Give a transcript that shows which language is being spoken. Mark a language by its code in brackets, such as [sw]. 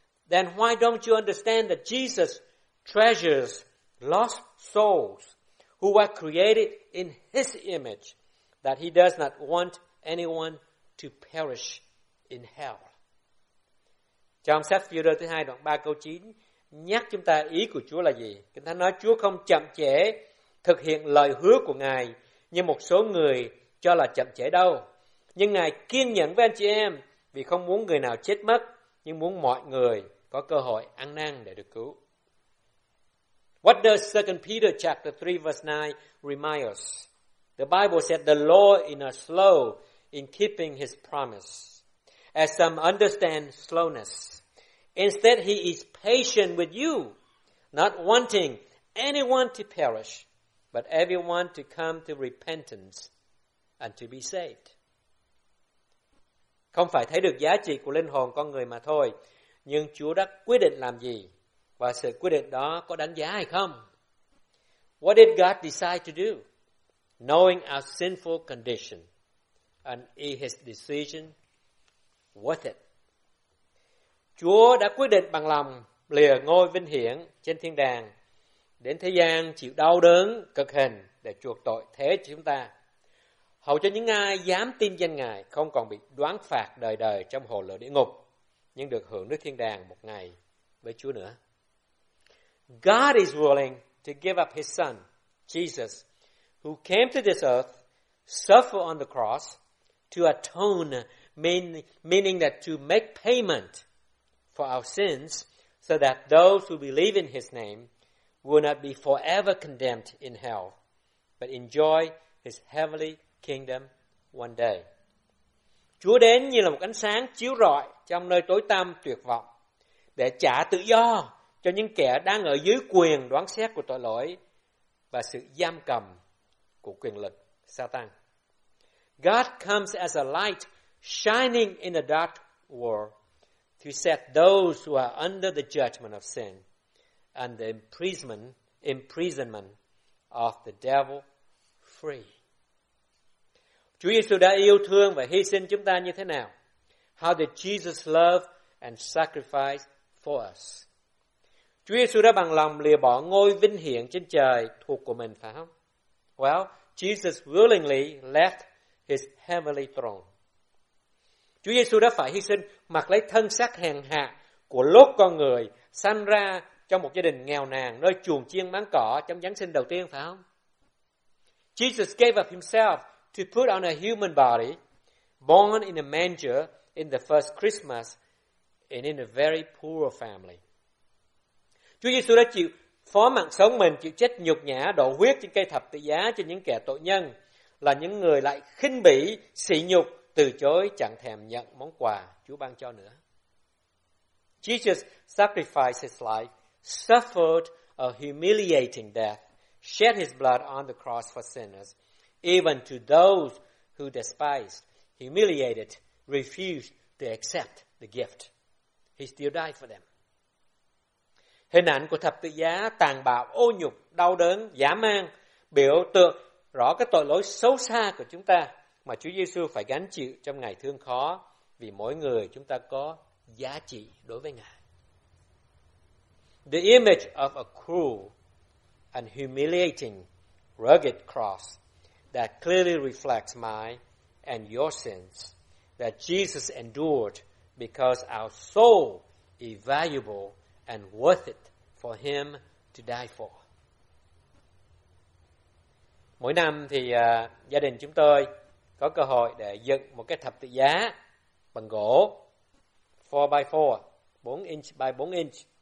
[en] Then why don't you understand that Jesus treasures lost souls who were created in his image, that he does not want anyone to perish in hell? [vi] Trong sách Phi-líp thứ 2 đoạn 3 câu 9 nhắc chúng ta ý của Chúa là gì? Kinh Thánh nói Chúa không chậm trễ thực hiện lời hứa của Ngài như một số người cho là chậm trễ đâu. Nhưng Ngài kiên nhẫn với anh chị em vì không muốn người nào chết mất, nhưng muốn mọi người có cơ hội ăn năn để được cứu. [en] What does 2 Peter chapter 3 verse 9 remind us? The Bible said the Lord is slow in keeping his promise, as some understand slowness. Instead, he is patient with you, not wanting anyone to perish, but everyone to come to repentance and to be saved. [vi] Không phải thấy được giá trị của linh hồn con người mà thôi, nhưng Chúa đã quyết định làm gì và sự quyết định đó có đáng giá hay không? [en] What did God decide to do? Knowing our sinful condition, and is his decision worth it? [vi] Chúa đã quyết định bằng lòng lìa ngôi vinh hiển trên thiên đàng, đến thế gian chịu đau đớn cực hình để chuộc tội thế cho chúng ta, hầu cho những ai dám tin danh Ngài không còn bị đoán phạt đời đời trong hồ lửa địa ngục, nhưng được hưởng nước thiên đàng một ngày với Chúa nữa. [en] God is willing to give up his son, Jesus, who came to this earth, suffered on the cross, to atone, meaning that to make payment for our sins, so that those who believe in his name will not be forever condemned in hell, but enjoy his heavenly kingdom one day. [vi] Chúa đến như là một ánh sáng chiếu rọi trong nơi tối tăm tuyệt vọng để trả tự do cho những kẻ đang ở dưới quyền đoán xét của tội lỗi và sự giam cầm của quyền lực Satan. [en] God comes as a light shining in a dark world to set those who are under the judgment of sin and the imprisonment of the devil free. [vi] Chúa Giêsu đã yêu thương và hy sinh chúng ta như thế nào? [en] How did Jesus love and sacrifice for us? [vi] Chúa Giêsu đã bằng lòng lìa bỏ ngôi vinh hiển trên trời thuộc của mình phải không? [en] Well, Jesus willingly left his heavenly throne. [vi] Chúa Giêsu đã phải hy sinh mặc lấy thân xác hèn hạ của lốt con người, sanh ra trong một gia đình nghèo nàn nơi chuồng chiên máng cỏ trong Giáng sinh đầu tiên phải không? [en] Jesus gave up himself to put on a human body, born in a manger in the first Christmas, and in a very poor family. [vi] Chúa Giêsu đã chịu phó mạng sống mình, chịu chết nhục nhã, đổ huyết trên cây thập tự giá cho những kẻ tội nhân, là những người lại khinh bỉ, sỉ nhục, từ chối, chẳng thèm nhận món quà Chúa ban cho nữa. [en] Jesus sacrificed his life, suffered a humiliating death, shed his blood on the cross for sinners, even to those who despised, humiliated, refused to accept the gift. He still died for them. [vi] Hình ảnh của thập tự giá tàn bạo, ô nhục, đau đớn, dã man, biểu tượng rõ cái tội lỗi xấu xa của chúng ta mà Chúa Giêsu phải gánh chịu trong ngày thương khó, vì mỗi người chúng ta có giá trị đối với Ngài. [en] The image of a cruel and humiliating rugged cross that clearly reflects my and your sins, that Jesus endured because our soul is valuable and worth it for him to die for. [vi] Mỗi năm thì gia đình chúng tôi có cơ hội để dựng một cái thập tự giá bằng gỗ 4x4, [en] 4 inch by 4 inch.